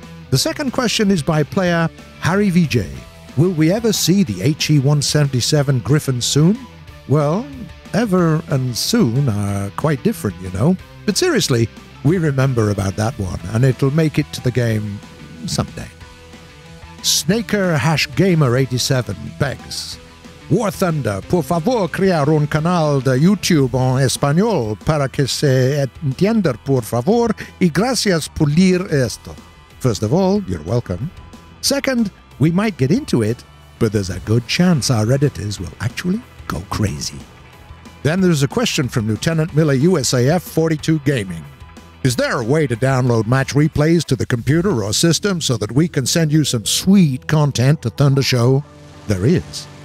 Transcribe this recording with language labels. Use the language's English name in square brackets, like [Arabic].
[English] The second question is by player Harry Vijay. Will we ever see the HE-177 Griffin soon? Well, ever and soon are quite different, you know. But seriously, we remember about that one, and it'll make it to the game someday. [Spanish] Snaker-Gamer87 begs, War Thunder, por favor, crear un canal de YouTube en español para que se entienda, por favor, y gracias por leer esto. [English] First of all, you're welcome. Second, we might get into it, but there's a good chance our editors will actually go crazy. Then there's a question from Lieutenant Miller USAF 42 Gaming. Is there a way to download match replays to the computer or system so that we can send you some sweet content to Thunder Show? There is.